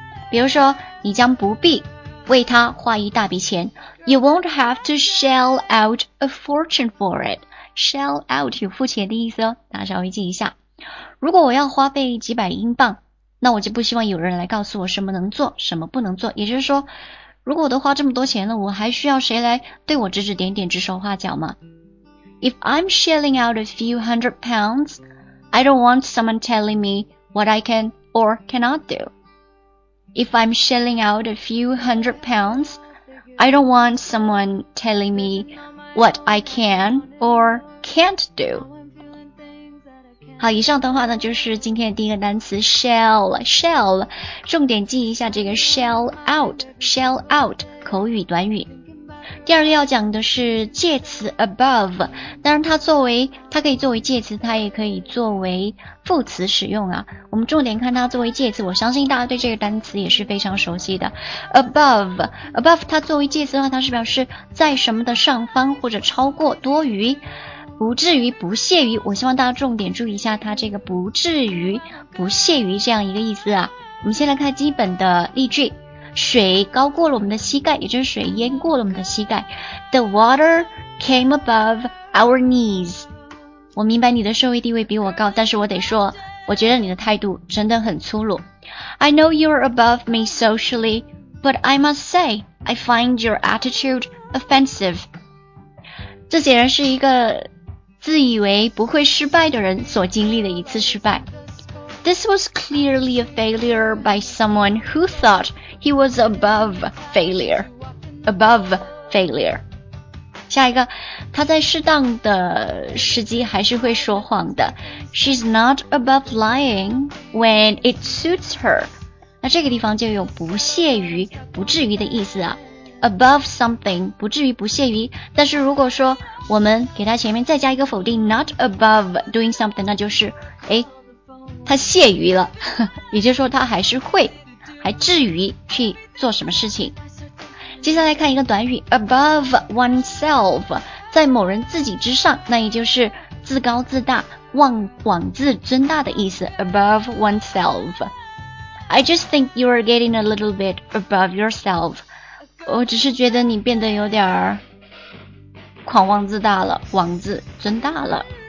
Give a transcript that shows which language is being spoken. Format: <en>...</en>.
<zh>比如说你将不必为他花一大笔钱，</zh> <en>You won't have to shell out a fortune for it。</en> <zh>Shell out 有付钱的意思哦，大家稍微记一下。如果我要花费几百英镑，那我就不希望有人来告诉我什么能做什么不能做，也就是说如果我都花这么多钱了，我还需要谁来对我指指点点、指手画脚吗？</zh> <en>If I'm shelling out a few hundred pounds, I don't want someone telling me what I can or cannot doIf I'm shelling out a few hundred pounds, I don't want someone telling me what I can or can't do.</en> <zh>好，以上的话呢就是今天的第一个单词 shell， 重点记一下这个 shell out， 口语短语。第第二个要讲的是介词 above， 当然它可以作为介词，它也可以作为副词使用啊。我们重点看它作为介词，我相信大家对这个单词也是非常熟悉的。 above 它作为介词的话，它是表示在什么的上方或者超过、多余、不至于、不屑于。我希望大家重点注意一下它这个不至于、不屑于这样一个意思啊。我们先来看基本的例句。水高过了我们的膝盖，也就是水淹过了我们的膝盖。</zh> <en>The water came above our knees.</en> <zh>我明白你的社会地位比我高，但是我得说，我觉得你的态度真的很粗鲁。</zh> <en>I know you're above me socially, but I must say, I find your attitude offensive.</en> <zh>这显然是一个自以为不会失败的人所经历的一次失败。</zh> <en>This was clearly a failure by someone who thought he was above failure. Above failure.</en> <zh>下一个，他在适当的时机还是会说谎的。</zh> <en>She's not above lying when it suits her.</en> <zh>那这个地方就有不屑于、不至于的意思啊。 Above something, 不至于、不屑于。但是如果说我们给他前面再加一个否定 ,</zh> <en>not above doing something,</en> <zh>那就是他屑于了，也就是说他还是会还至于去做什么事情。接下来看一个短语 above oneself， 在某人自己之上，那也就是自高自大、妄妄自尊大的意思。</zh> <en>above oneself， I just think you are getting a little bit above yourself，</en> <zh>我只是觉得你变得有点儿狂妄自大了，妄自尊大了。</zh>